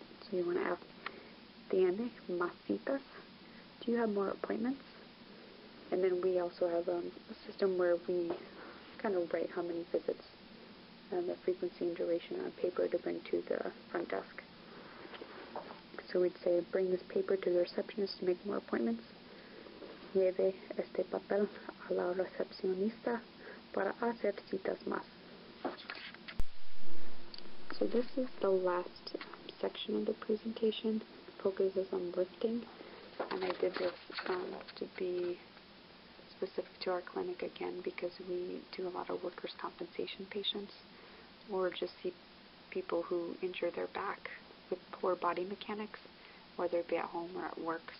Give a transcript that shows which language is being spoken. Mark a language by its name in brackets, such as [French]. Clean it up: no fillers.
[English] So you want to ask, [Spanish] ¿Tiene más citas? [English] Do you have more appointments? And then we also have a system where we kind of write how many visits and the frequency and duration on a paper to bring to the front desk. So we'd say, bring this paper to the receptionist to make more appointments. [Spanish] Lleve este papel a la recepcionista para hacer citas más. [English] So this is the last section of the presentation. It focuses on lifting. And I did this to be specific to our clinic again because we do a lot of workers' compensation patients or just see people who injure their back with poor body mechanics, whether it be at home or at work.